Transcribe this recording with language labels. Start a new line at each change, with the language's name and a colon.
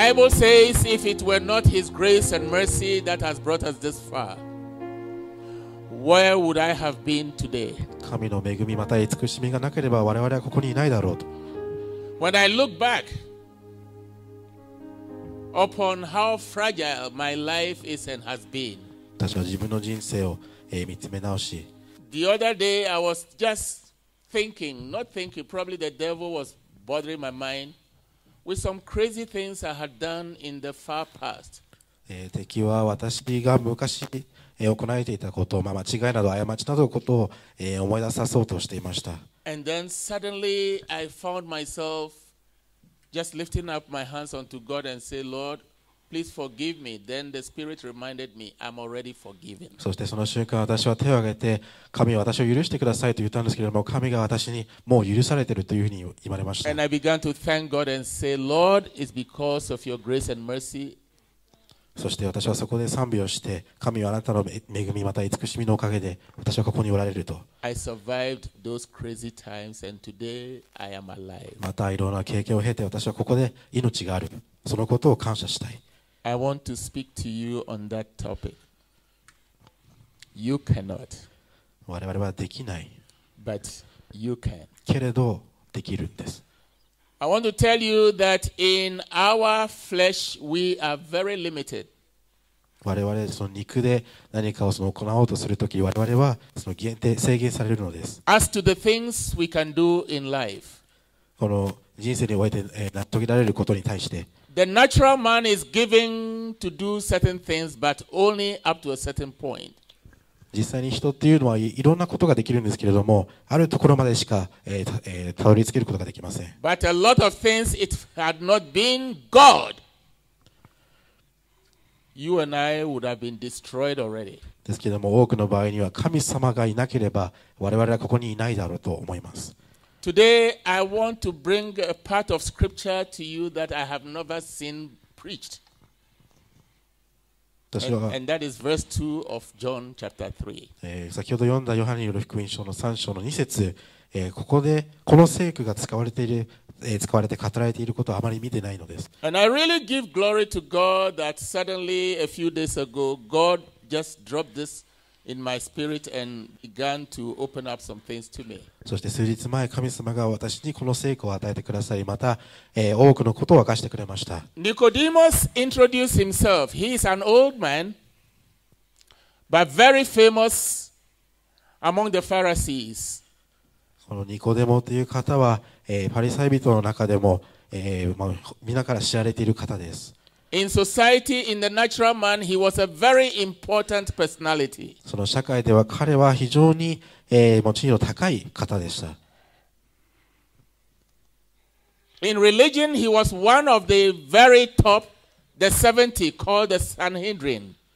English: Says if it were not his grace and mercy that has brought us this far, where would I have been today?
Japanese: 神の恵みまた慈しみがなければ我々はここにいないだろうと。
English: When I look back upon how fragile my life is and has been,
Japanese: 私は自分の人生を見つめ直し、
English: The other day I was just thinking, not thinking, probably the devil was bothering my mind. With some crazy things I had done in the far past.
Japanese: 敵は私が昔行えていたこと、まあ、間違いなど過ちなどのことを思い出さそうとしていました。
English: And then suddenly I found myself just lifting up my hands unto God and say, Lord, Please forgive me. Then the Spirit reminded me, I'm already forgiven.
Japanese: そしてその瞬間、私は手を挙げて、神は私を許してくださいと言ったんですけれども、神が私にもう許されているというふうに言われました。
English: And I began to thank God and say, Lord, it's because of your grace and mercy.
Japanese: そして私はそこで賛美をして、神はあなたの恵み、また慈しみのおかげで、私はここにおられると。
English: I survived those crazy times and today I am alive.
Japanese: またいろんな経験を経て、私はここで命がある。そのことを感謝したい。
English: I want to speak to you on that topic. You cannot.
Japanese: 我々はできない。
English: But you can.
Japanese: けれど、できるんです。
English: I want to tell you that in our flesh we are very limited.
Japanese: 我々その肉で何かをその行おうとするとき、我々はその限定、制限されるのです。
English: As to the things we can do in life.
Japanese: この人生において納得られることに対して、
English: The natural man is given to do certain things, but only up to a certain point.
Japanese: 実際に人っていうのはいろんなことができるんですけれども、あるところまでしかたどり着けることができません。
English: But a lot of things, it had not been God, you and I would have been destroyed already.
Japanese: ですけれども、多くの場合には神様がいなければ、我々はここにいないだろうと思います。
English: Today, I want to bring a part of scripture to you that I have never seen preached. And that is verse 2 of John chapter 3.
Japanese: 先ほど読んだヨハネによる福音書の3章の2節、ここでこの聖句が使われている、使われて語られていることはあまり見てないのです。
English: And I really give glory to God that suddenly a few days ago, God just dropped this. In my spirit and began to open up some things to me.
Japanese: そして数日前、神様が私にこの聖句を与えてくださり、また、多くのことを明かしてくれました。
English: Nicodemus introduced himself. He is an old man, but very famous among the Pharisees.
Japanese: このニコデモという方は、パリサイ人の中でも、皆から知られている方です。
English: In society, in the natural man, he was a very important personality.
Japanese: その社会では彼は非常に、持ち味の高い方でした。
English: In religion, he was one of the very top, the 70, called the Sanhedrin.